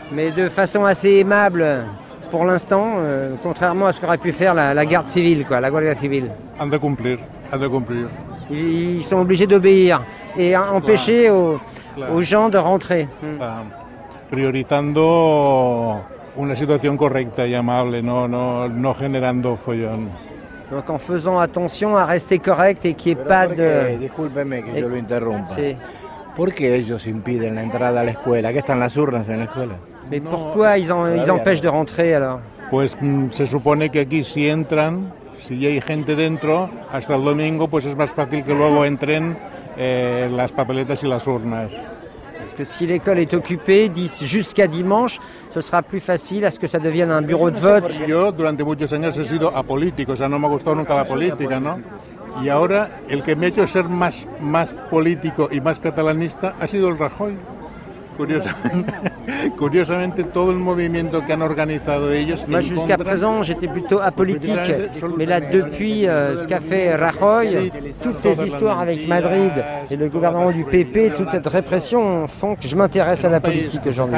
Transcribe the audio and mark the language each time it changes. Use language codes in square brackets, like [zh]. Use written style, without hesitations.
[fr] Mais de façon assez aimable. Pour l'instant, contrairement à ce qu'aurait pu faire la garde civile, quoi, la Guardia Civil. [es] Han de cumplir, han de cumplir. [fr] Ils sont obligés d'obéir et empêcher aux gens de rentrer. [es] Priorizando una situación correcta y amable, no generando follón. [fr] Donc en faisant attention à rester correct et qu'il n'y ait pas de... [es] Discúlpeme que yo lo interrumpa. Sí. ¿Por qué ellos impiden la entrada a la escuela? ¿Qué están las urnas en la escuela? [fr] Mais pourquoi ils empêchent de rentrer alors? [es] Pues se supone que aquí si entran, si hay gente dentro, hasta el domingo pues es más fácil que luego entren las papeletas y las urnas. [fr] Parce que si l'école est occupée jusqu'à dimanche, ce sera plus facile à ce que ça devienne un bureau de vote. [es] Yo durante muchos años he sido apolítico, o sea, no me ha gustado nunca la política, ¿no? Y ahora el que me ha hecho ser más político y más catalanista ha sido el Rajoy. [ca] Curiosament, [fr] tout le mouvement qu'ils ont organisé, ils... Moi, jusqu'à présent, j'étais plutôt apolitique. Mais là, depuis ce qu'a fait Rajoy, toutes ces histoires avec Madrid et le gouvernement du PP, toute cette répression font que je m'intéresse à la politique aujourd'hui.